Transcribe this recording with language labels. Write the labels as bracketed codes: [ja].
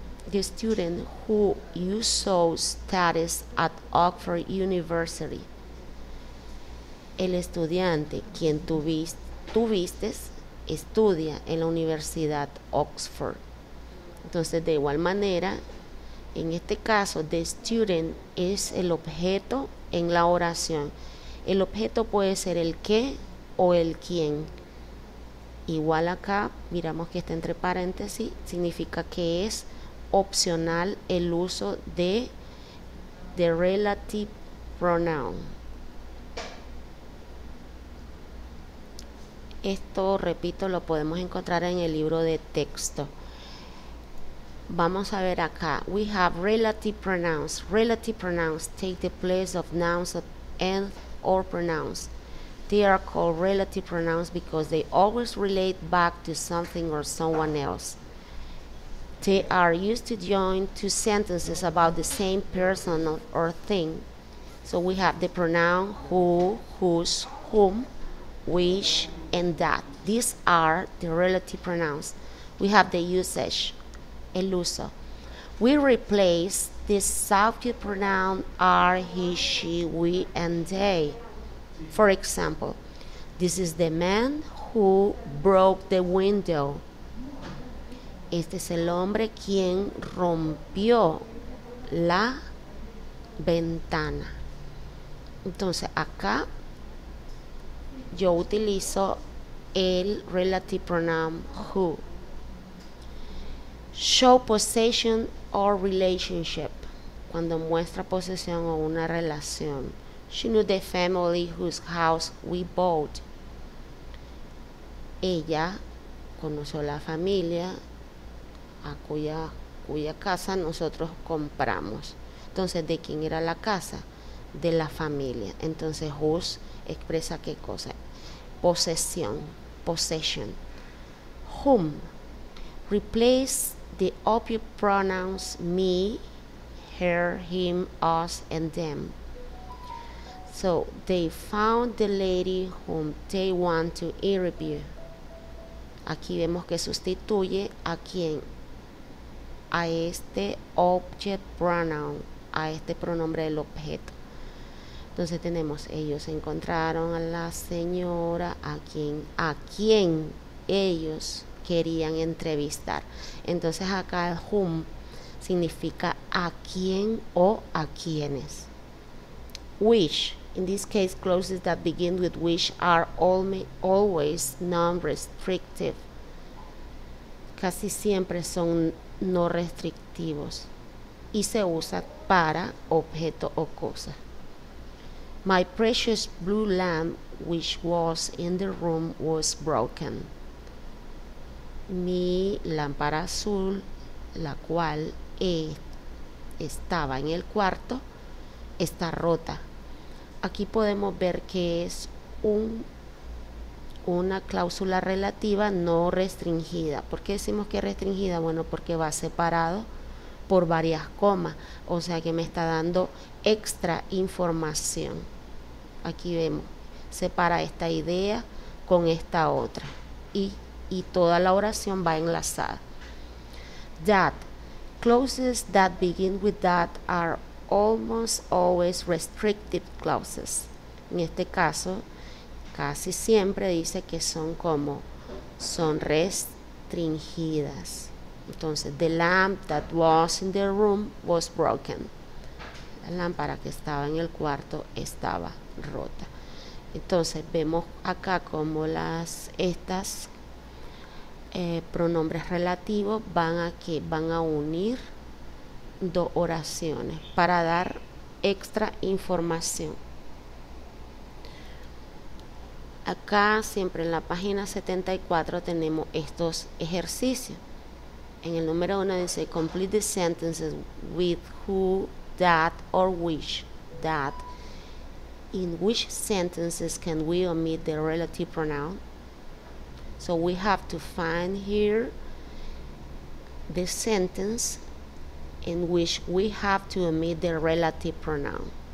[en] The student who you saw studies at Oxford University. [es] El estudiante quien tuviste estudia en la Universidad Oxford. Entonces, de igual manera, en este caso, [en] the student [es] es el objeto en la oración. El objeto puede ser el qué o el quién. Igual acá, miramos que está entre paréntesis, significa que es opcional el uso de [en] the relative pronoun. [es] Esto, repito, lo podemos encontrar en el libro de texto. Vamos a ver acá. [en] We have relative pronouns. Relative pronouns take the place of nouns and or pronouns. They are called relative pronouns because they always relate back to something or someone else. They are used to join two sentences about the same person or thing. So we have the pronoun who, whose, whom, which, and that. These are the relative pronouns. We have the usage, [es] el uso. [en] We replace the subject pronoun are, he, she, we, and they. For example, this is the man who broke the window. [es] Este es el hombre quien rompió la ventana. Entonces, acá yo utilizo el relative pronoun who. [en] Show possession or relationship. [es] Cuando muestra posesión o una relación. [en] She knew the family whose house we bought. [es] Ella conoció la familia a cuya casa nosotros compramos. Entonces, ¿de quién era la casa? De la familia. Entonces, whose expresa qué cosa. Posesión, possession. Whom. [en] Replace the object pronouns me, her, him, us, and them. So, they found the lady whom they want to interview. [es] Aquí vemos que sustituye a quien, a este [en] object pronoun, [es] a este pronombre del objeto. Entonces tenemos, ellos encontraron a la señora a quien ellos querían entrevistar. Entonces acá el whom significa a quién o a quiénes. [en] Which, in this case, clauses that begin with which are always non-restrictive. [es] Casi siempre son no restrictivos y se usa para objeto o cosa. [en] My precious blue lamp, which was in the room, was broken. [es] Mi lámpara azul, la cual estaba en el cuarto, está rota. Aquí podemos ver que es una cláusula relativa no restringida. ¿Por qué decimos que es restringida? Bueno, porque va separado por varias comas. O sea que me está dando extra información. Aquí vemos, separa esta idea con esta otra. Y toda la oración va enlazada. [en] That, clauses that begin with that are almost always restrictive clauses. [es] En este caso, casi siempre dice que son como, son restringidas. Entonces, [en] the lamp that was in the room was broken. [es] La lámpara que estaba en el cuarto estaba rota. Entonces, vemos acá como estas pronombres relativos van a unir dos oraciones para dar extra información. Acá, siempre en la página 74, tenemos estos ejercicios. En el número 1 dice, [en] complete the sentences with who, that, or which, that. In which sentences can we omit the relative pronoun? So we have to find here the sentence in which we have to omit the relative pronoun.